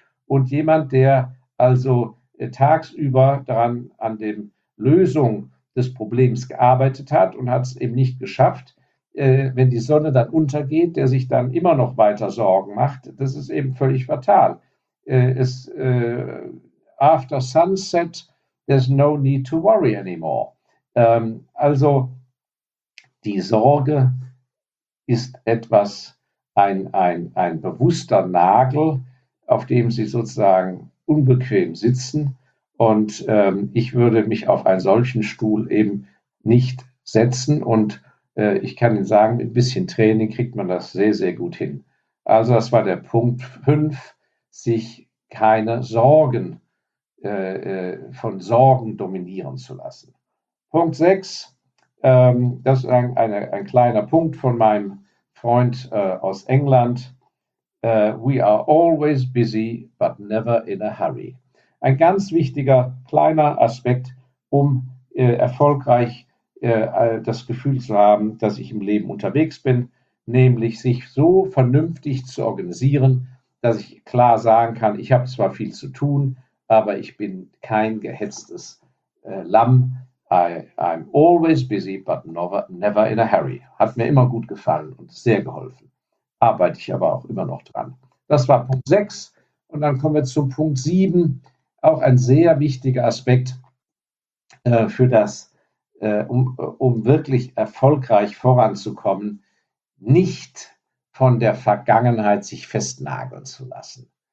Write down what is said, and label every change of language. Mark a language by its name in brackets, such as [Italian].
[German] Und jemand, der also tagsüber daran an dem Lösung des Problems gearbeitet hat und hat es eben nicht geschafft, wenn die Sonne dann untergeht, der sich dann immer noch weiter Sorgen macht, das ist eben völlig fatal. [English] After sunset, there's no need to worry anymore. [German] Also die Sorge ist etwas, ein bewusster Nagel, auf dem Sie sozusagen unbequem sitzen. Und ich würde mich auf einen solchen Stuhl eben nicht setzen und ich kann Ihnen sagen, mit ein bisschen Training kriegt man das sehr, sehr gut hin. Also das war der Punkt 5, sich keine Sorgen von Sorgen dominieren zu lassen. Punkt 6, das ist ein kleiner Punkt von meinem Freund aus England. [English] We are always busy, but never in a hurry. [German] Ein ganz wichtiger kleiner Aspekt, um erfolgreich das Gefühl zu haben, dass ich im Leben unterwegs bin, nämlich sich so vernünftig zu organisieren, dass ich klar sagen kann, ich habe zwar viel zu tun, aber ich bin kein gehetztes Lamm. [English] I'm always busy, but never in a hurry. [German] Hat mir immer gut gefallen und sehr geholfen. Arbeite ich aber auch immer noch dran. Das war Punkt 6. Und dann kommen wir zu Punkt 7. Auch ein sehr wichtiger Aspekt für das um wirklich erfolgreich voranzukommen, nicht von der Vergangenheit sich festnageln zu lassen.